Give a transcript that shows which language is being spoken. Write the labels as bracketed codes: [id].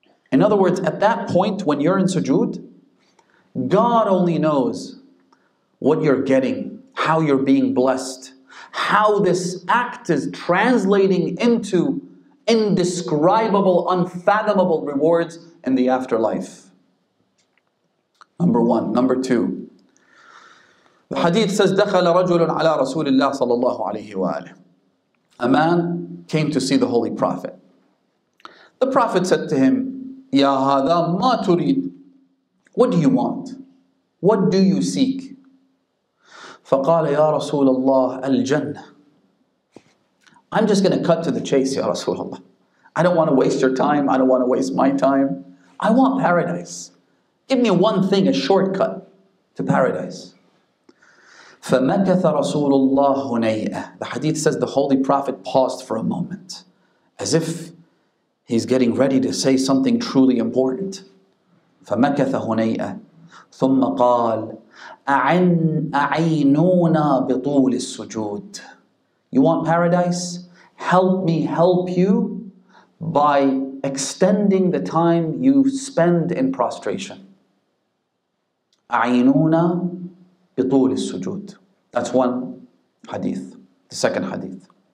[en] In other words, at that point when you're in sujood, God only knows what you're getting, how you're being blessed, how this act is translating into indescribable, unfathomable rewards in the afterlife. Number one. Number two. The hadith says, [ar] دَخَلَ رَجُلٌ عَلَى رَسُولِ اللَّهِ صَلَى اللَّهُ عَلَيْهِ وَآلِهِ. [en] A man came to see the Holy Prophet. The Prophet said to him, [ar] يَا هَذَا مَا تُرِيدْ. [en] What do you want? What do you seek? [ar] فَقَالَ يَا رَسُولَ اللَّهِ الْجَنَّةِ. [en] I'm just going to cut to the chase, Ya Rasulullah. I don't want to waste your time. I don't want to waste my time. I want paradise. Give me one thing, a shortcut to paradise. [ar] فَمَكَثَ رَسُولُ اللَّهِ هُنَيْئَ. [en] The hadith says the Holy Prophet paused for a moment, as if he's getting ready to say something truly important. [ar] فَمَكَثَ هُنَيْئَ. ثم قال أعينونا بطول السجود. [en] You want paradise? Help me help you by extending the time you spend in prostration. [ar] أعينونا بطول السجود. [en] That's one hadith. The second hadith.